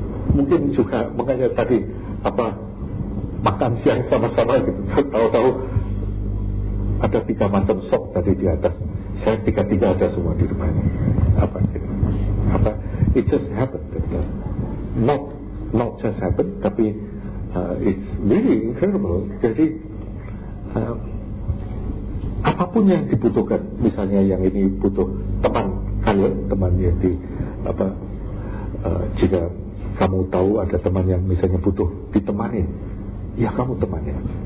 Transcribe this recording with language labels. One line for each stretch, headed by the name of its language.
Indonesian: Mungkin juga makanya tadi apa makan siang sama-sama gitu. Tahu-tahu ada tiga macam sop tadi di atas. Saya tiga-tiga ada semua di rumah ini. Apa gitu. Apa
English: it just happened.
Indonesian: Gitu.
English: Not just happened,
Indonesian: tapi
English: it's really incredible.
Indonesian: Jadi apapun yang dibutuhkan, misalnya yang ini butuh teman kalian, teman yang di apa jika kamu tahu ada teman yang misalnya butuh ditemani, ya kamu temannya.